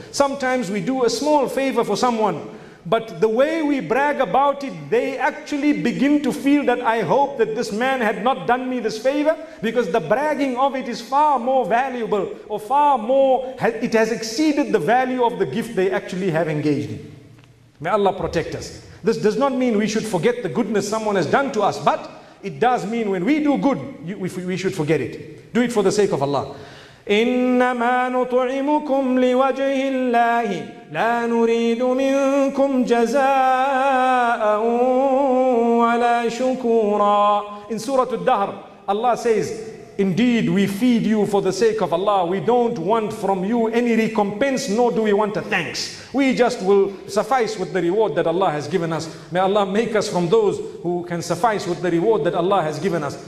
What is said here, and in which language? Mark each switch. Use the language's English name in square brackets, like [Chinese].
[English] Sometimes we do a small favor for someone, but the way we brag about it, they actually begin to feel that I hope that this man had not done me this favor, because the bragging of it is far more valuable, or far more, it has exceeded the value of the gift they actually have engaged in. May Allah protect us. This does not mean we should forget the goodness someone has done to us, but it does mean when we do good, we should forget it. Do it for the sake of Allah. [Arabic] إِنَّمَا نُطْعِمُكُمْ لِوَجْهِ اللَّهِ لا نريد منكم جزاء ولا شكورا. [English] In Surah Al-Dahr, Allah says, indeed, we feed you for the sake of Allah. We don't want from you any recompense, nor do we want a thanks. We just will suffice with the reward that Allah has given us. May Allah make us from those who can suffice with the reward that Allah has given us.